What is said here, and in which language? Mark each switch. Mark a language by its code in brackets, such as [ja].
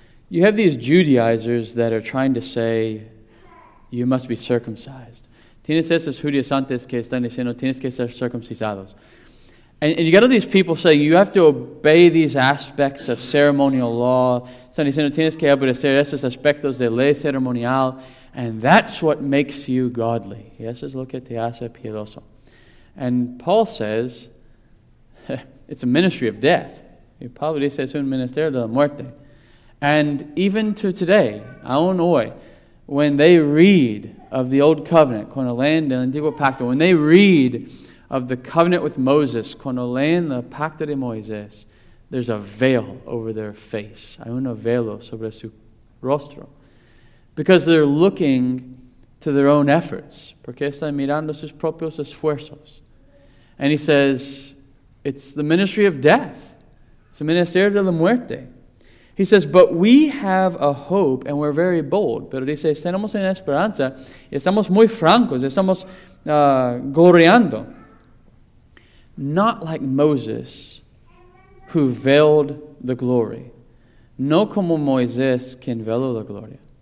[en] You have these Judaizers that are trying to say, you must be circumcised. [es] Tienes esos judíos antes que están diciendo, tienes que ser circuncisados. [en] And you got all these people saying you have to obey these aspects of ceremonial law. [es] Están diciendo tienes que obedecer esos aspectos de ley ceremonial, [en] and that's what makes you godly. [es] Y eso es lo que te hace piedoso. [en] And Paul says it's a ministry of death. [es] Y Pablo dice es un ministerio de la muerte. [en] And even to today, [es] aún hoy, [en] when they read of the old covenant, [es] cuando leen del antiguo pacto, [en] when they read of the covenant with Moses, [es] cuando leen el pacto de Moisés, [en] there's a veil over their face. [es] Hay un velo sobre su rostro. [en] Because they're looking to their own efforts. [es] Porque están mirando sus propios esfuerzos. [en] And he says, it's the ministry of death. It's a [es] ministerio de la muerte. [en] He says, but we have a hope and we're very bold. [es] Pero dice, tenemos una esperanza y estamos muy francos, estamos gloriando. [en] Not like Moses, who veiled the glory. [es] No como Moisés, quien veló la gloria.